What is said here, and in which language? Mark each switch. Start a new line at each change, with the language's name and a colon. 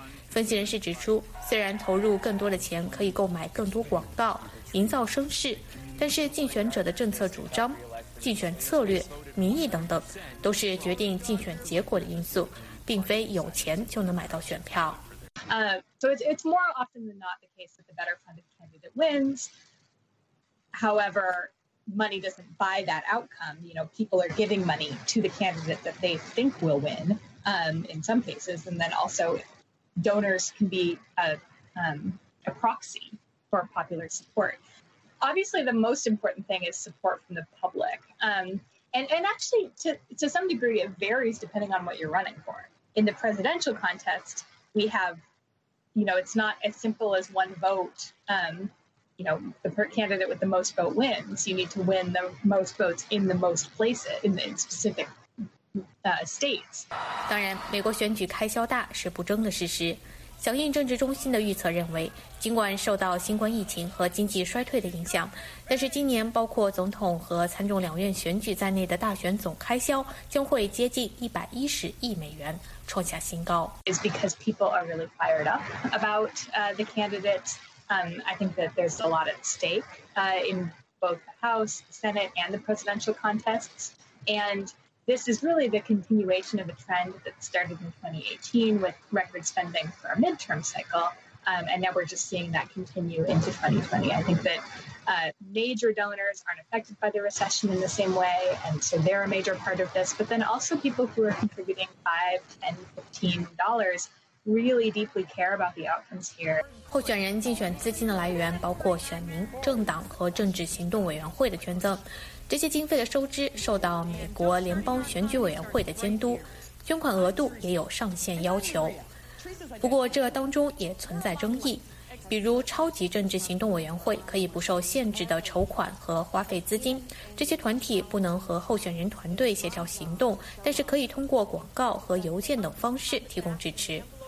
Chinese: 分析人士指出，虽然投入更多的钱可以购买更多广告，营造声势，但是竞选者的政策主张、竞选策略、民意等等，都是决定竞选结果的因素。并非有钱就能买到选票。
English: So it's more often than not the case that the better funded candidate wins. However, money doesn't buy that outcome. You know, people are giving money to the candidate that they think will win, in some cases. And then also donors can be a proxy for popular support. Obviously, the most important thing is support from the public. And actually, to some degree, it varies depending on what you're running for. In the presidential contest, we have, you know, it's not as simple as one vote. You know, the candidate with the most vote wins. You need to win the most votes in the most places, in specific states.
Chinese: 当然，美国选举开销大是不争的事实。响应政治中心的预测认为，尽管受到新冠疫情和经济衰退的影响，但是今年包括总统和参众两院选举在内的大选总开销将会接近110亿美元，创下新高。
English: It's because people are really fired up about the candidate. I think that there's a lot at stake in both the House, the Senate, and the presidential contests. AndThis is really the continuation of a trend that started in 2018 with record spending for a midterm cycle. And now we're just seeing that continue into 2020. I think that major donors aren't affected by the recession in the same way. And so they're a major part of this. But then also people who are contributing $5, $10, $15 really deeply care about the outcomes here.
Chinese: 候选人竞选资金的来源包括选民、政党和政治行动委员会的捐赠。这些经费的收支受到美国联邦选举委员会的监督，捐款额度也有上限要求。不过这当中也存在争议，比如超级政治行动委员会可以不受限制的筹款和花费资金，这些团体不能和候选人团队协调行动，但是可以通过广告和邮件等方式提供支持。